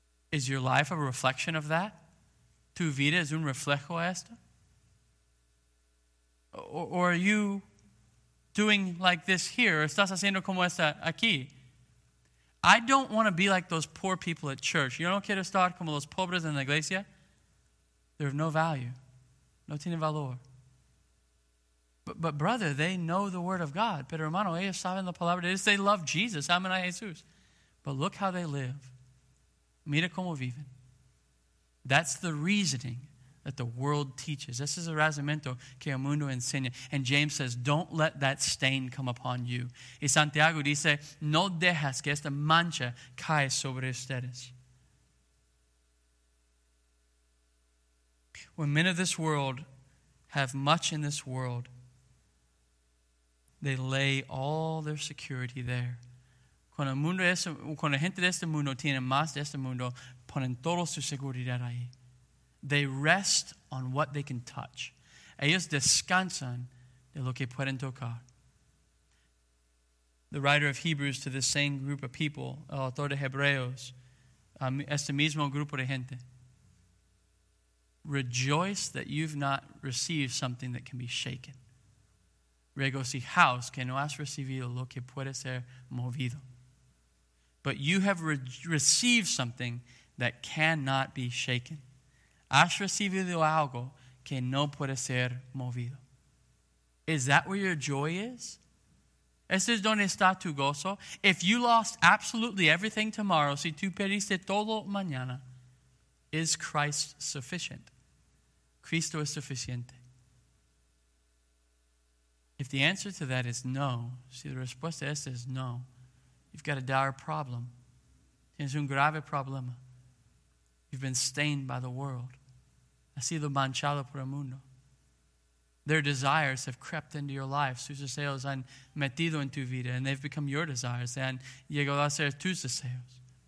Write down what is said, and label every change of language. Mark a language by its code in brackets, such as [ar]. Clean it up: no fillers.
[en] Is your life a reflection of that? [es] ¿Tu vida es un reflejo a esto? [en] Or are you doing like this here? [es] ¿Estás haciendo como esta aquí? [en] I don't want to be like those poor people at church. [es] Yo no quiero estar como los pobres en la iglesia. [en] They're of no value. [es] No tienen valor. [en] But brother, they know the word of God. [es] Pero hermano, ellos saben la palabra de Dios. [en] They love Jesus. [es] Amen a Jesús. [en] But look how they live. [es] Mira cómo viven. [en] That's the reasoning that the world teaches. This is a [es] razonamiento que el mundo enseña. [en] And James says, don't let that stain come upon you. [es] Y Santiago dice, no dejas que esta mancha caiga sobre ustedes. [en] When men of this world have much in this world, they lay all their security there. [es] Cuando gente de este mundo tiene más de este mundo, ponen toda su seguridad ahí. [en] They rest on what they can touch. [es] Ellos descansan de lo que pueden tocar. [en] The writer of Hebrews to this same group of people, [es] el autor de Hebreos, este mismo grupo de gente, [en] rejoice that you've not received something that can be shaken. [es] Regocijaos que no has recibido lo que puede ser movido. [en] But you have received something that cannot be shaken. [es] Has recibido algo que no puede ser movido. [en] Is that where your joy is? [es] ¿Ese es donde está tu gozo? [en] If you lost absolutely everything tomorrow, [es] si tú perdiste todo mañana, [en] is Christ sufficient? [es] Cristo es suficiente. [en] If the answer to that is no, [es] si la respuesta a esta es no, [en] you've got a dire problem. [es] Tienes un grave problema. [en] You've been stained by the world. [es] Has sido manchado por el mundo. [en] Their desires have crept into your life. [es] Sus deseos han metido en tu vida, [en] and they've become your desires. [es] They han llegado a ser tus deseos.